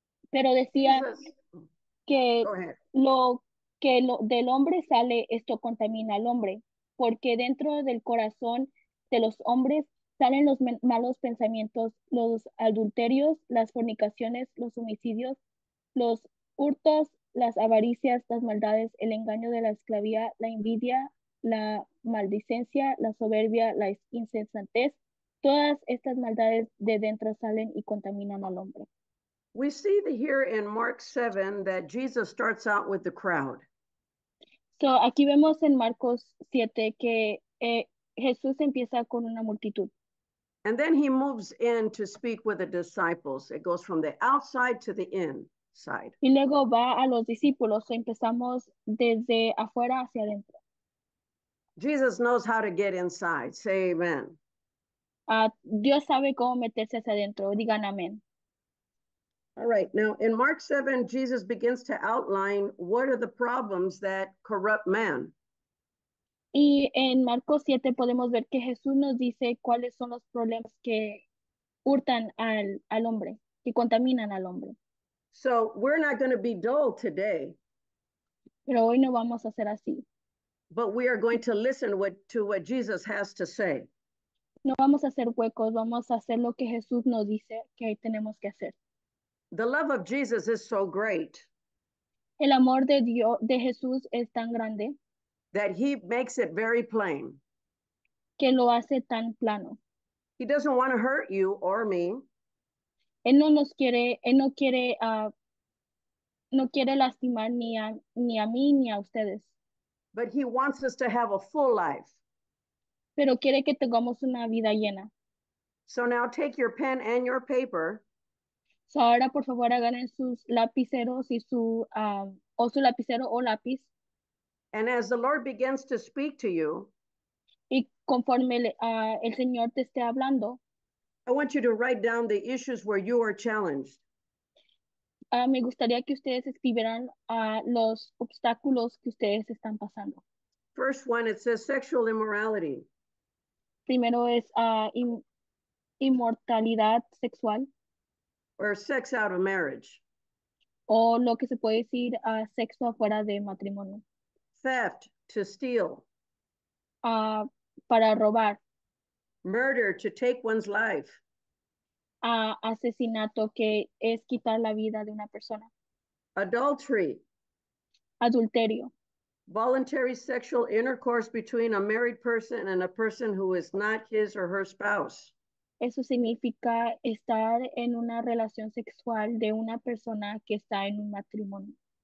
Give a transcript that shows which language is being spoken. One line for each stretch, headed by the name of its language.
Spanish: Pero decía que lo del hombre sale, esto contamina al hombre, porque dentro del corazón de los hombres salen los malos pensamientos, los adulterios, las fornicaciones, los homicidios, los hurtos, las avaricias, las maldades, el engaño de la esclavía, la envidia, la maldicencia, la soberbia, la insensatez. Todas estas maldades de dentro salen y contaminan al hombre.
English: We see here in Mark 7 that Jesus starts out with the crowd.
Spanish: So aquí vemos en Marcos 7 que Jesús empieza con una multitud.
English: And then he moves in to speak with the disciples. It goes from the outside to the inside.
Spanish: Y luego va a los discípulos. Empezamos desde afuera hacia adentro.
English: Jesus knows how to get inside. Say amen.
Spanish: Dios sabe cómo meterse hacia adentro. Digan amén.
English: All right, now in Mark 7, Jesus begins to outline what are the problems that corrupt man.
Spanish: Y en Marcos 7 podemos ver que Jesús nos dice cuáles son los problemas que hurtan al hombre, que contaminan al hombre.
English: So we're not going to be dull today.
Spanish: Pero hoy no vamos a hacer así.
English: But we are going to listen to what Jesus has to say.
Spanish: No vamos a hacer huecos, vamos a hacer lo que Jesús nos dice que tenemos que hacer.
English: The love of Jesus is so great.
Spanish: El amor de Dios, de Jesús es tan grande.
English: That he makes it very plain.
Spanish: Que lo hace tan plano.
English: He doesn't want to hurt you or me.
Spanish: Él no nos quiere, él no quiere, no quiere lastimar ni a mí ni a ustedes.
English: But he wants us to have a full life.
Spanish: Pero quiere que tengamos una vida llena.
English: So now take your pen and your paper.
Spanish: So ahora, por favor, agarren sus lapiceros y su, o su lapicero o lápiz.
English: And as the Lord begins to speak to you,
Spanish: y conforme el Señor te esté hablando,
English: I want you to write down the issues where you are challenged.
Spanish: Me gustaría que ustedes escribieran los obstáculos que ustedes están pasando.
English: First one, it says sexual immorality.
Spanish: Primero es inmoralidad sexual.
English: Or sex out of marriage.
Spanish: O lo que se puede decir sexo afuera de matrimonio.
English: Theft, to steal.
Spanish: Para robar.
English: Murder, to take one's life.
Spanish: Asesinato, que es quitar la vida de una persona.
English: Adultery.
Spanish: Adulterio.
English: Voluntary sexual intercourse between a married person and a person who is not his or her spouse.
Spanish: Eso significa estar en una relación sexual de una persona que está en un matrimonio.